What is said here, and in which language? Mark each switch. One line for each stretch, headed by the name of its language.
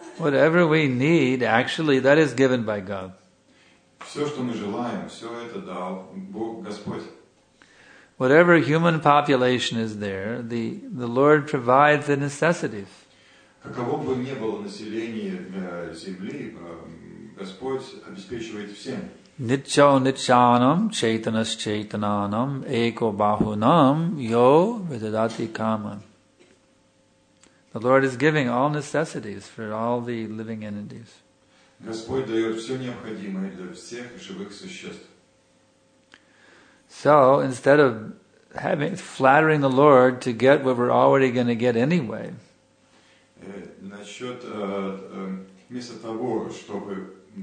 English: Whatever we need, actually, that is given by God.
Russian: Все, что мы желаем, все это дал Бог, Господь.
English: Whatever human population is there, the Lord provides the necessities.
Russian: Каково бы ни было население земли, Господь обеспечивает всем.
Sanskrit: Nityo nityanam chaitanas chaitananam eko bahunam yo vidadati kama.
English: The Lord is giving all necessities for all the living entities.
Russian: Господь дает все необходимое для всех живых существ.
English: So instead of having flattering the Lord to get what we're already going to get anyway.
Russian: Насчет вместо того, чтобы